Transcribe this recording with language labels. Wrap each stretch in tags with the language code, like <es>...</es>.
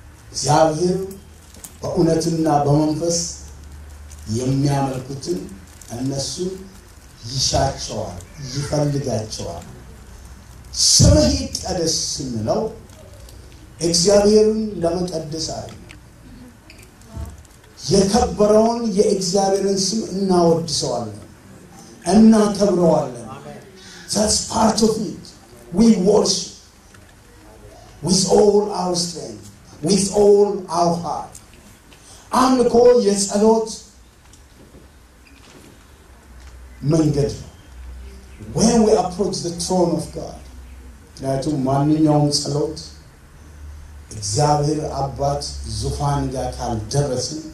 <am>እግዚአብሔር በእውነትና በመንፈስ የሚያመልኩትን እነሱ ይሻቸዋል ይፈልጋቸዋል። ስምህ ይቀደስ ስንለው እግዚአብሔርን ለመቀደስ አይደለም፣ የከበረውን የእግዚአብሔርን ስም እናወድሰዋለን እናከብረዋለን።</am> <en>That's part of it. We worship with all our strength, with all our heart.</en> <am>አምልኮ የጸሎት መንገድ ነው።</am> <en>When we approach the throne of God,</en> <am>ለቱ ማንኛውም ጸሎት እግዚአብሔር አባት ዙፋን ጋር ካልደረሰ</am>